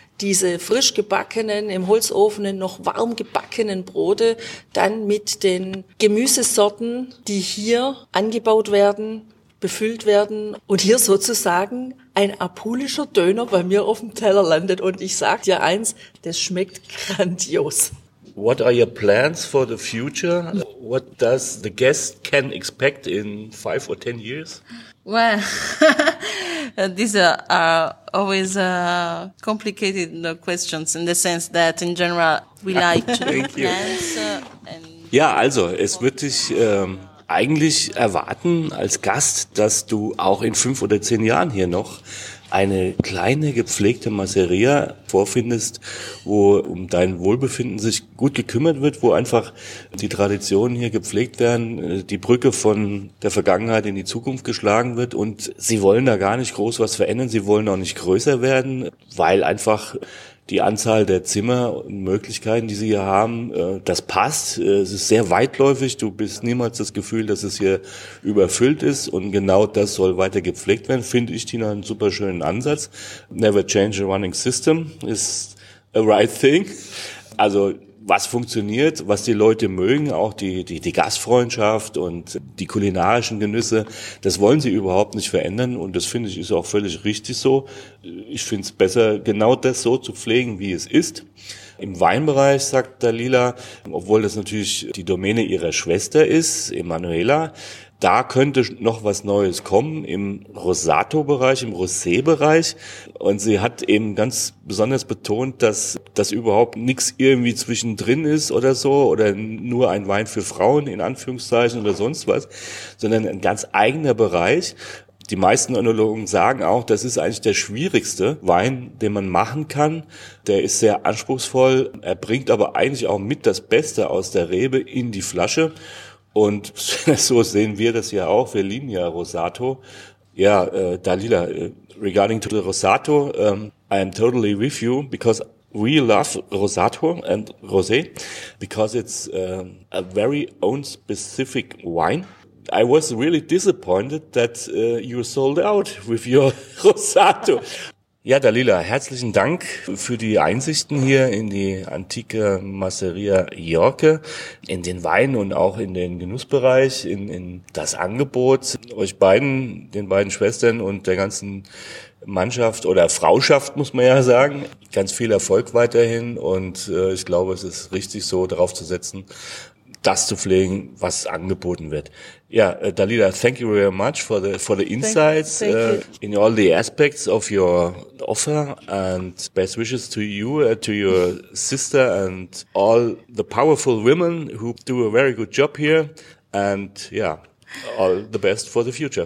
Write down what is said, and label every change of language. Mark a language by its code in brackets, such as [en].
[de] diese frisch gebackenen, im Holzofenen noch warm gebackenen Brote dann mit den Gemüsesorten, die hier angebaut werden, befüllt werden und hier sozusagen ein apulischer Döner bei mir auf dem Teller landet. Und ich sag dir eins, das schmeckt grandios. [en] What are your plans for the future? What does the guest can expect in 5 or 10 years? Well, these are always complicated questions in the sense that in general we like to make plans. [de] Ja, also es wird dich eigentlich erwarten als Gast, dass du auch in 5 oder 10 Jahren hier noch eine kleine gepflegte Masseria vorfindest, wo um dein Wohlbefinden sich gut gekümmert wird, wo einfach die Traditionen hier gepflegt werden, die Brücke von der Vergangenheit in die Zukunft geschlagen wird und sie wollen da gar nicht groß was verändern, sie wollen auch nicht größer werden, weil einfach die Anzahl der Zimmer und Möglichkeiten, die sie hier haben, das passt. Es ist sehr weitläufig, du bist niemals das Gefühl, dass es hier überfüllt ist und genau das soll weiter gepflegt werden, finde ich, Tina, einen super schönen Ansatz. [en] Never change a running system is a right thing. [de] Also was funktioniert, was die Leute mögen, auch die Gastfreundschaft und die kulinarischen Genüsse, das wollen sie überhaupt nicht verändern und das finde ich ist auch völlig richtig so. Ich finde es besser, genau das so zu pflegen, wie es ist. Im Weinbereich, sagt Dalila, obwohl das natürlich die Domäne ihrer Schwester ist, Emanuela, da könnte noch was Neues kommen im Rosato-Bereich, im Rosé-Bereich. Und sie hat eben ganz besonders betont, dass das überhaupt nichts irgendwie zwischendrin ist oder so oder nur ein Wein für Frauen in Anführungszeichen oder sonst was, sondern ein ganz eigener Bereich. Die meisten Önologen sagen auch, das ist eigentlich der schwierigste Wein, den man machen kann. Der ist sehr anspruchsvoll. Er bringt aber eigentlich auch mit das Beste aus der Rebe in die Flasche. Und so sehen wir das ja auch. Wir lieben ja Rosato. [en] Ja, Dalila, regarding to the Rosato, I am totally with you because we love Rosato and Rosé because it's a very own specific wine. I was really disappointed that you sold out with your Rosato. [de] Ja, Dalila, herzlichen Dank für die Einsichten hier in die antike Masseria Jorke, in den Wein und auch in den Genussbereich, in das Angebot. Euch beiden, den beiden Schwestern und der ganzen Mannschaft oder Frauschaft, muss man ja sagen, ganz viel Erfolg weiterhin. Und ich glaube, es ist richtig so, darauf zu setzen, das zu pflegen, was angeboten wird. [en] Ja, Dalila, thank you very much for the insights in all the aspects of your offer, and best wishes to you, to your sister and all the powerful women who do a very good job here. And yeah, all the best for the future.